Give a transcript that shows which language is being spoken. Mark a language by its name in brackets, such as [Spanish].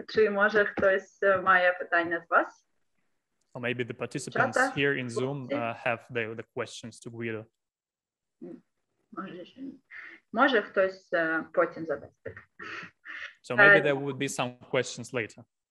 [Ukrainian] Може хтось має питання з вас? [English] Or maybe the participants Чата? Here in Zoom have the questions to Guido. [Ukrainian] Може хтось потім задасть таке. [English] So maybe there would be some questions later.